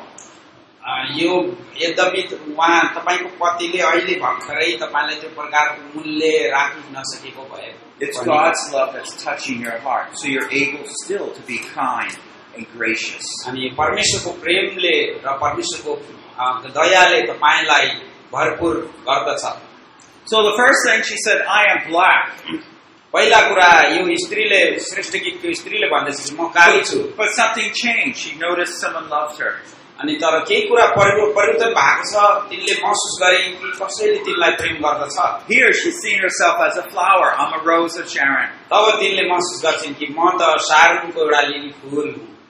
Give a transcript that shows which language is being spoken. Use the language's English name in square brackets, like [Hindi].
[Nepali] यो यद्यपि उहाँ तपाईँको पतिले अहिले भर्खरै तपाईँलाई त्यो प्रकारको मूल्य राख्न नसकेको भए [English] It's God's love that's touching your heart, so you're able still to be kind and gracious. [Nepali] अनि परमेश्वरको प्रेमले र परमेश्वरको दयाले तपाईँलाई भरपूर गर्दछ. [English] So the first thing she said, I am black. [Nepali] पहिलो कुरा यो स्त्रीले सृष्टिकर्ता स्त्रीले भन्दछ म काली छु. [English] But something changed. She noticed someone loved her. [Nepali] अनि तर केही कुरा परिवर्तन भएको छ. तिनले महसुस गरे कि कसैले तिनलाई प्रेम गर्दछ. [English] Here she sees herself as a flower, I'm a rose of Sharon. [Nepali] तब तिनले महसुस गर्छिन् कि म त शारोनको एउटा लिली फूल हुँ.